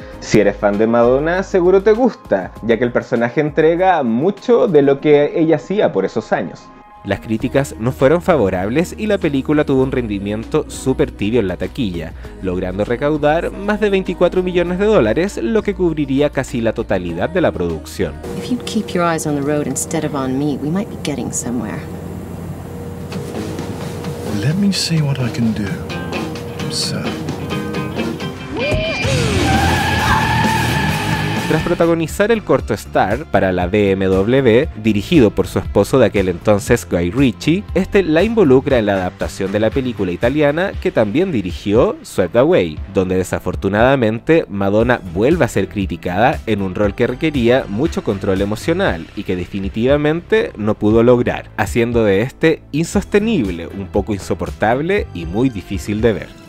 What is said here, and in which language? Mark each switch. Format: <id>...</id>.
<es>Si eres fan de Madonna, seguro te gusta, ya que el personaje entrega mucho de lo que ella hacía por esos años. Las críticas no fueron favorables y la película tuvo un rendimiento súper tibio en la taquilla, logrando recaudar más de 24 millones de dólares, lo que cubriría casi la totalidad de la producción.</es> <en>If you'd keep your eyes on the road instead of on me, we might be getting somewhere. Let me see what I can do, sir.</en> <es>Tras protagonizar el corto Star para la BMW, dirigido por su esposo de aquel entonces Guy Ritchie, este la involucra en la adaptación de la película italiana que también dirigió Swept Away, donde desafortunadamente Madonna vuelve a ser criticada en un rol que requería mucho control emocional y que definitivamente no pudo lograr, haciendo de este insostenible, un poco insoportable y muy difícil de ver.</es>